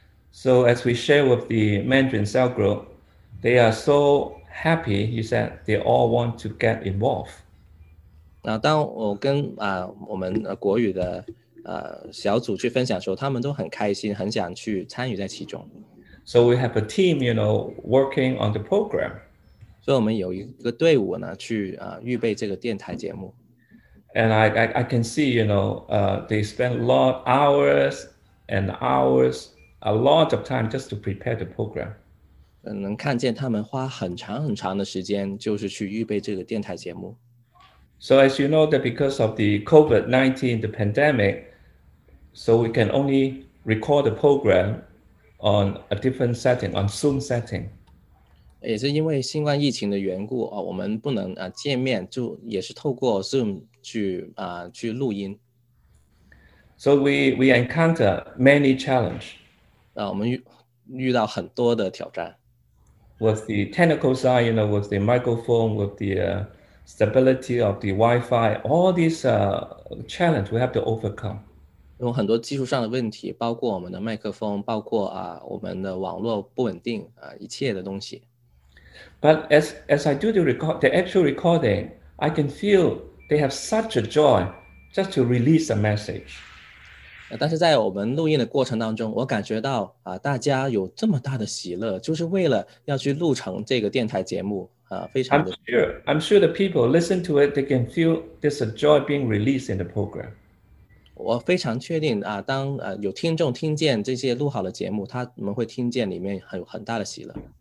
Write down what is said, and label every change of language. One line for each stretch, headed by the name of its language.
English: So as we share with the Mandarin cell group, they are so happy, he said, they all want to get involved.
Chinese: 当我跟我们国语的小组去分享的时候，他们都很开心，很想去参与在其中。
English: So we have a team, you know, working on the program.
Chinese: 所以我们有一个队伍呢，去预备这个电台节目。
English: And I can see, you know, they spend a lot hours and hours, a lot of time just to prepare the program.
Chinese: 能看见他们花很长很长的时间就是去预备这个电台节目。
English: So as you know that because of the COVID-19, the pandemic, so we can only record the program on a different setting, on Zoom setting.
Chinese: 也是因为新冠疫情的缘故，我们不能见面，就也是透过 Zoom 去录音。
English: So we encounter many challenges.
Chinese: 我们遇到很多的挑战。
English: With the technical side, you know, with the microphone, with the stability of the Wi-Fi, all these challenges we have to overcome.
Chinese: 有很多技术上的问题，包括我们的麦克风，包括我们的网络不稳定，一切的东西。
English: But as I do the actual recording, I can feel they have such a joy just to release a message.
Chinese: 但是在我们录音的过程当中，我感觉到大家有这么大的喜乐，就是为了要去录成这个电台节目非常的。
English: I'm sure the people listen to it, they can feel this joy being released in the program.
Chinese: 我非常确定当有听众听见这些录好的节目，他们会听见里面很大的喜乐。